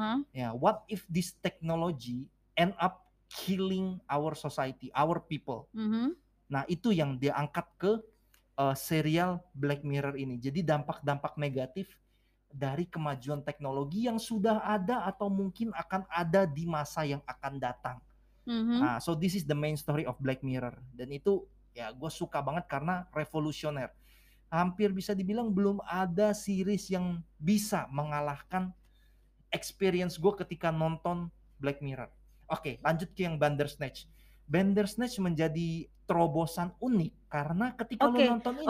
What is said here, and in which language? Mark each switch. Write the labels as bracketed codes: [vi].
[en] Ya, what if this technology end up killing our society, our people? [id] Nah, itu yang diangkat ke serial Black Mirror ini. Jadi dampak-dampak negatif dari kemajuan teknologi yang sudah ada atau mungkin akan ada di masa yang akan datang. [en] Nah, so this is the main story of Black Mirror. [id] Dan itu ya gue suka banget karena revolusioner. Hampir bisa dibilang belum ada series yang bisa mengalahkan experience gue ketika nonton Black Mirror. Oke, lanjut ke yang Bandersnatch. Bandersnatch menjadi terobosan unik karena ketika lo nonton ini.